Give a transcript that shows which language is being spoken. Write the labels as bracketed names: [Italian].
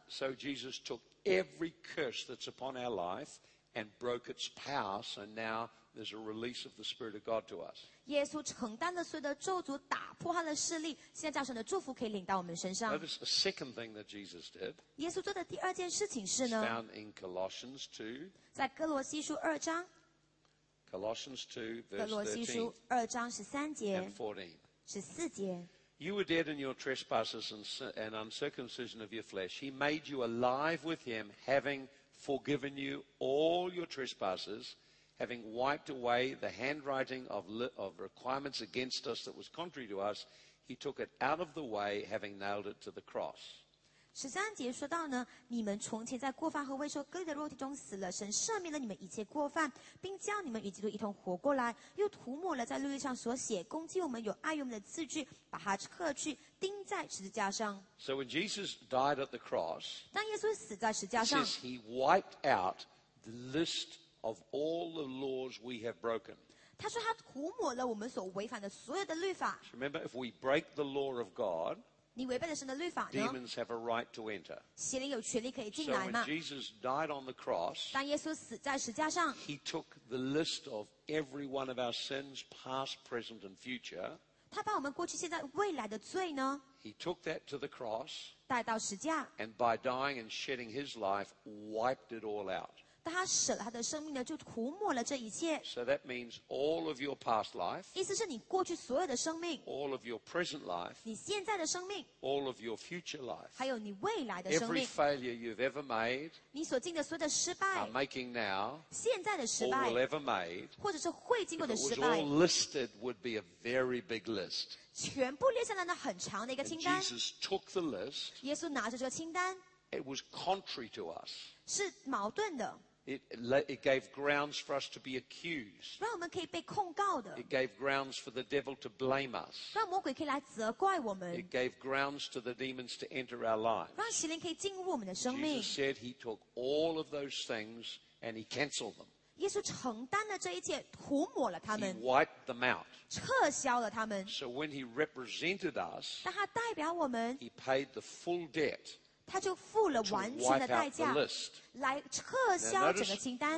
[English] So Jesus took every curse that's upon our life and broke its power, so now there's a release of the Spirit of God to us. [Chinese] 耶稣承担了所有的咒诅，打破他的势力，现在叫神的祝福可以领到我们身上。 [English] Notice the second thing that Jesus did. [Chinese] 耶稣做的第二件事情是呢 [English] ？Found in Colossians 2. [Chinese] 在哥罗西书二章。 [English] Colossians 2, verse [Chinese] 13. 哥罗西书二章十三节。 [English] And 14. [Chinese] 十四节。 [English] You were dead in your trespasses and uncircumcision of your flesh. He made you alive with him, having forgiven you all your trespasses, having wiped away the handwriting of requirements against us that was contrary to us. He took it out of the way, having nailed it to the cross. [Chinese] 十三节说到呢，你们从前在过犯和未受割礼的肉体中死了，神赦免了你们一切过犯，并叫你们与基督一同活过来，又涂抹了在律例上所写攻击我们有碍于我们的字句，把它刻去钉在十字架上。 [English] So when Jesus died at the cross, [Chinese] 当耶稣死在十字架上， [English] he wiped out the list of all the laws we have broken. [Chinese] 他说他涂抹了我们所违反的所有的律法。 [English] Remember, if we break the law of God. [Chinese] 你违背了神的律法呢? [English] Demons have a right to enter. [Chinese] 邪灵有权利可以进来吗? [English] So when Jesus died on the cross, [Chinese] 当耶稣死在十字架上, [English] he took the list of every one of our sins, past, present, and future. [Chinese] 他把我们过去、现在、未来的罪呢? [English] He took that to the cross, [Chinese] 带到十字架, [English] and by dying and shedding his life, wiped it all out. [Chinese] 当他舍了他的生命呢，就涂抹了这一切。 [English] So that means all of your past life. [Chinese] 意思是你过去所有的生命。 [English] All of your present life. [Chinese] 你现在的生命。 [English] All of your future life. [Chinese] 还有你未来的生命。 [English] Every failure you've ever made. [Chinese] 你所经的所有的失败。 [English] Are making now. [Chinese] 现在的失败。 [English] Or will ever made. [Chinese] 或者是会经过的失败。 [English] If it was all listed, would be a very big list. [Chinese] 全部列下来的很长的一个清单。 [English] And Jesus took the list. [Chinese] 耶稣拿着这个清单。 [English] It was contrary to us. [Chinese] 是矛盾的。 [English] It gave grounds for us to be accused. [Chinese] 让我们可以被控告的。 [English] It gave grounds for the devil to blame us. [Chinese] 让魔鬼可以来责怪我们。 [English] It gave grounds to the demons to enter our lives. [Chinese] 让邪灵可以进入我们的生命。 [English] Jesus said he took all of those things and he canceled them. [Chinese] 耶稣承担了这一切，涂抹了他们。 [English] He wiped them out. [Chinese] 撤销了他们。 [English] So when he represented us, [Chinese] 当他代表我们， [English] he paid the full debt. [Chinese] 他就付了完全的代价来撤销整个清单。